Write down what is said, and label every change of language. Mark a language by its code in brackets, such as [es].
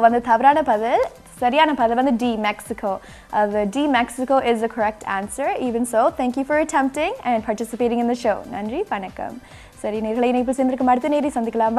[ta] வந்து தவறான பதில், சரியான பதில் வந்து D, Mexico. [en] The D, Mexico is the correct answer. Even so, thank you for attempting and participating in the show. [ta] நன்றி, வணக்கம். சரி, நேர்களை இணைப்பு சேர்ந்திருக்கும் அடுத்த நேரி சந்திக்கலாம்.